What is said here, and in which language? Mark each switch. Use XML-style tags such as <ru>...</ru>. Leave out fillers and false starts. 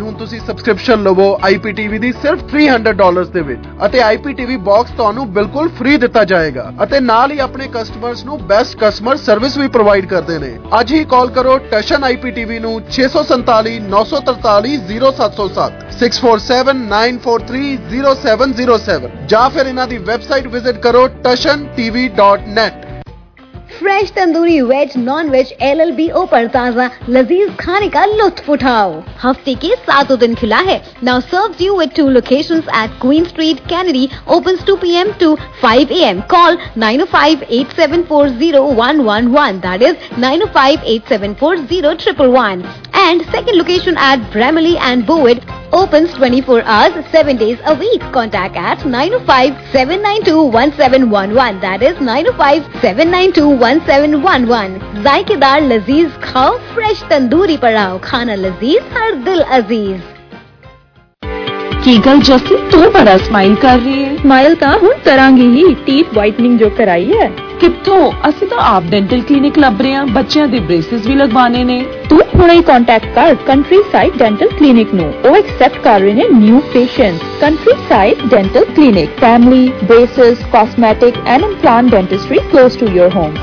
<pa>ਹੁਣ ਤੁਸੀਂ ਸਬਸਕ੍ਰਿਪਸ਼ਨ ਲਵੋ IPTV ਦੀ ਸਿਰਫ $300 ਦੇ ਵਿੱਚ, ਅਤੇ IPTV ਬਾਕਸ ਤੁਹਾਨੂੰ ਬਿਲਕੁਲ ਫ੍ਰੀ ਦਿੱਤਾ ਜਾਏਗਾ, ਅਤੇ ਨਾਲ ਹੀ ਆਪਣੇ ਕਸਟਮਰਸ ਨੂੰ ਬੈਸਟ ਕਸਟਮਰ ਸਰਵਿਸ ਵੀ ਪ੍ਰੋਵਾਈਡ ਕਰਦੇ ਨੇ। ਅੱਜ ਹੀ ਕਾਲ ਕਰੋ ਟਸ਼ਨ IPTV ਨੂੰ 647-943-0707, 647-943-0707, ਜਾਂ ਫਿਰ ਇਹਨਾਂ ਦੀ ਵੈਬਸਾਈਟ ਵਿਜ਼ਿਟ ਕਰੋ tashantv.net।</pa> <hi>Fresh tandoori veg non veg LLB open, ताज़ा लजीज खाने का लुत्फ उठाओ। हफ्ते के सातों दिन खुला है।</hi> <en>Now serves you with two locations at Queen Street Kennedy, opens 2 PM to 5 AM। Call 9058740111, that is 9058740111। And second location at Bramalea and Bovaird, opens 24 hours 7 days a week. Contact at 9057921711, that is 9057921711।</en> <hi>जायकेदार लजीज खाओ, fresh tandoori पर आओ, खाना लजीज हर दिल अजीज।</hi> <pa>की गल जसी, तू तो बड़ा स्माइल कर रही है। स्माइल ता हुन करांगी ही, टीथ व्हाइटनिंग जो कराई है। ਕਿੱਥੋਂ, ਅਸੀਂ ਤਾਂ ਆਪ ਡੈਂਟਲ ਕਲੀਨਿਕ ਲੱਭ ਰਹੇ ਹਾਂ, ਬੱਚਿਆਂ ਦੇ ਬ੍ਰੇਸਿਸ ਵੀ ਲਗਵਾਣੇ ਨੇ। ਤੂੰ ਹੁਣੇ ਕੰਟੈਕਟ ਕਰ ਕੰਟਰੀ ਸਾਈਡ ਡੈਂਟਲ ਕਲੀਨਿਕ ਨੂੰ, ਉਹ ਐਕਸੈਪਟ ਕਰ ਰਹੇ ਨੇ</pa> <en>New patient. Countryside dental clinic, family braces, cosmetic and implant dentistry close to your home.</en>